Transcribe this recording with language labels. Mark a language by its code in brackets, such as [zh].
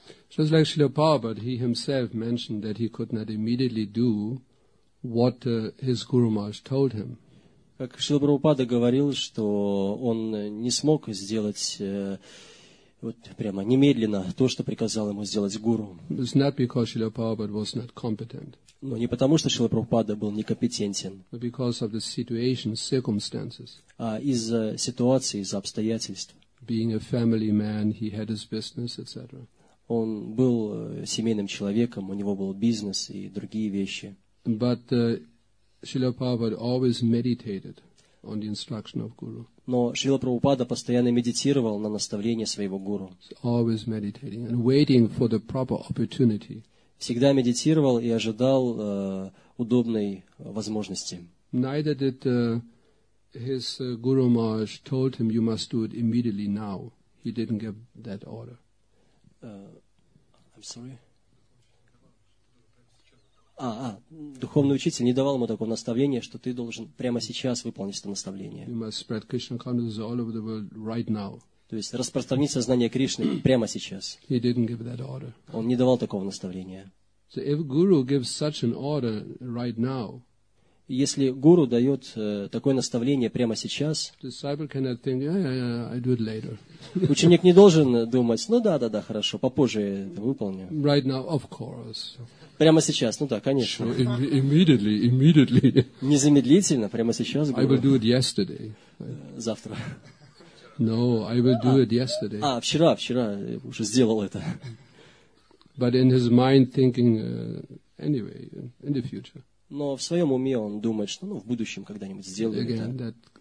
[en] Just like Srila Prabhupada, he himself mentioned that he could not immediately do what his Guru Maharaj told him. [ru] Как Шрила Прабхупада говорил, что он не смог сделать вот прямо немедленно то, что приказал ему сделать Гуру. [en] It's not because Srila Prabhupada was not competent. [ru] Но не потому, что Шрила Прабхупада был некомпетентен. [en] But because of the situation, circumstances. [ru] А из-за ситуации, из-за обстоятельств. [en] Being a family man, he had his business, etc. [ru] Он был семейным человеком, у него был бизнес и другие вещи. [en] But Srila Prabhupada always meditated on the instruction of Guru. [ru] Но Шрила Прабхупада постоянно медитировал на наставления своего гуру. [en] Always meditating and waiting for the proper opportunity. [ru] Всегда медитировал и ожидал удобной возможности. [en] Neither did his Guru Maharaj told him you must do it immediately now. He didn't give that order. I'm sorry. [ru] Духовный учитель не давал ему такого наставления, что ты должен прямо сейчас выполнить это наставление. [en] You must spread Krishna consciousness all over the world right now. [ru] То есть распространить сознание Кришны прямо сейчас. [en] He didn't give that order. [ru] Он не давал такого наставления. [en] So if Guru gives such an order right now, [ru] если Гуру дает такое наставление прямо сейчас, [en] disciple cannot think, yeah, yeah, yeah, I do it later. [ru] Ученик не должен думать, ну да, да, да, хорошо, попозже я это выполню. [en] Right now, of course. [ru] Прямо сейчас, ну да, конечно. [en] Sure, immediately, immediately. [ru] Незамедлительно, прямо сейчас. [en] I will do it yesterday. [ru] Завтра. [en] No, I will do it yesterday. [ru] Вчера, вчера я уже сделал это. [en] But in his mind thinking, anyway, in the future. [ru] Но в своем уме он думает, что ну, в будущем когда-нибудь сделаю это.